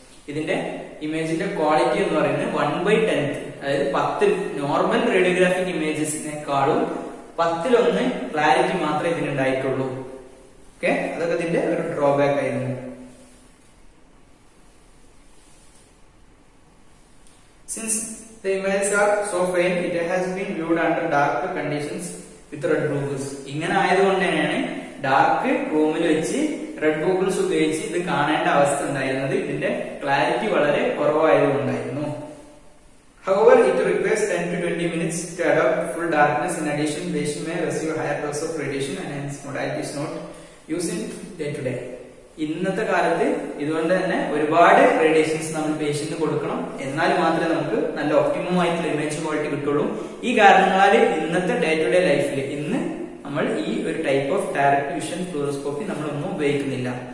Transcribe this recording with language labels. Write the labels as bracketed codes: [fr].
[ml] ഇതിന്റെ ഇമേജിന്റെ ക്വാളിറ്റി എന്ന് പറയുന്നത് 1/10, അതായത് 10 നോർമൽ റേഡിയോഗ്രാഫിക് ഇമേജസിനെക്കാളും 10 to 1 ക്ലാരിറ്റി മാത്രമേ ഇതിനുണ്ടായിട്ടുള്ളൂ. ഓക്കെ, അതൊക്കെ ഇതിന്റെ ഒരു ഡ്രോബാക്ക് ആയിരുന്നു. [en] Since the images are so faint, it has been viewed under dark conditions with red goggles. [ml] ഇങ്ങനെ ആയതുകൊണ്ടാണ് ഡാർക്ക് റൂമിൽ വെച്ച് റെഡ് ഗോഗിൾസ് ഉപയോഗിച്ച് ഇത് കാണേണ്ട അവസ്ഥ ഉണ്ടായിരുന്നത്. ഇതിന്റെ ക്ലാരിറ്റി വളരെ കുറവായതുകൊണ്ടായിരുന്നു. [en] However, it requires 10-20 minutes to adopt full darkness. In addition, patient may receive higher dose of radiation and hence modality is not used in day-to-day. [ml] ഇന്നത്തെ കാലത്ത് ഇതുകൊണ്ട് തന്നെ ഒരുപാട് റേഡിയേഷൻസ് നമ്മൾ പേഷ്യന് കൊടുക്കണം, എന്നാൽ മാത്രമേ നമുക്ക് നല്ല ഒപ്റ്റിമം ആയിട്ടുള്ള ഇമേജ് ക്വാളിറ്റി കിട്ടുള്ളൂ. ഈ കാരണങ്ങളാൽ ഇന്നത്തെ ഡേ ടു ഡേ ലൈഫിൽ ഇന്ന് നമ്മൾ ഈ ഒരു type of direct vision fluoroscopy നമ്മളൊന്നും ഉപയോഗിക്കുന്നില്ല.